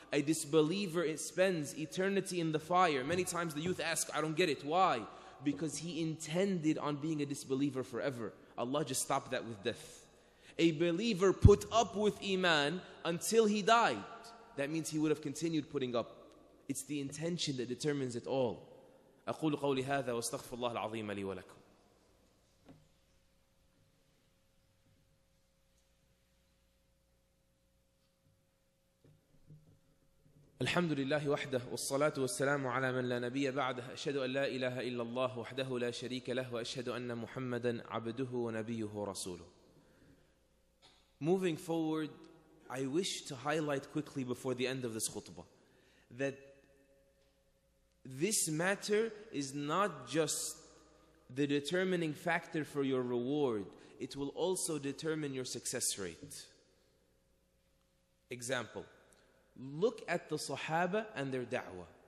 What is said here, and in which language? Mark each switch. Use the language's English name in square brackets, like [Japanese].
[English] A disbeliever spends eternity in the fire. Many times the youth ask, "I don't get it. Why?" Because he intended on being a disbeliever forever. Allah just stopped that with death. A believer put up with iman until he died. That means he would have continued putting up. It's the intention that determines it all. [Arabic] أقول قولي هذا واستغفر الله العظيم لي ولكم. الحمد لله وحده والصلاة والسلام على من لا نبي بعده أشهد أن لا إله إلا الله وحده لا شريك له وأشهد أن محمدا عبده ونبيه ورسوله. [English] Moving forward, I wish to highlight quickly before the end of this khutbah that this matter is not just the determining factor for your reward. it will also determine your success rate. Example, look at the Sahaba and their da'wah.